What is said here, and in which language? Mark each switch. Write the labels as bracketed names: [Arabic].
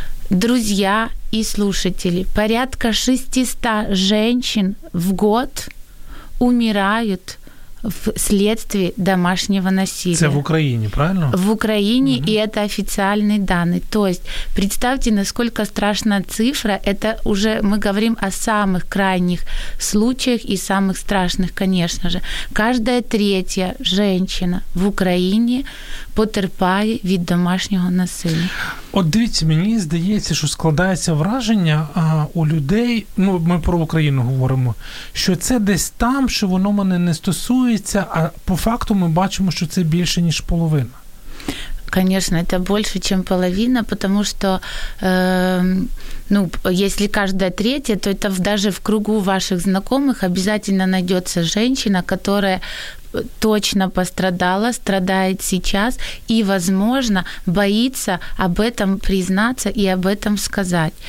[Russian] Друзья и слушатели, порядка 600 женщин в год умирают вследствие домашнего насилия. Это в Украине, правильно? В Украине, и это официальные данные. То есть, представьте, насколько страшная цифра. Это уже мы говорим о самых крайних случаях и самых страшных, конечно же. Каждая третья женщина в Украине [Ukrainian] потерпає від домашнього насилля. От дивіться, мені здається, що складається враження у людей, ну, ми про Україну говоримо, що це десь там, що воно мене не стосується, а по факту ми бачимо, що це більше, ніж половина. [Russian] Конечно, это больше, чем половина, потому что, ну, если каждая третья, то это даже в кругу ваших знакомых обязательно найдется женщина, которая точно пострадала, страдает сейчас и, возможно, боится об этом признаться и об этом сказать.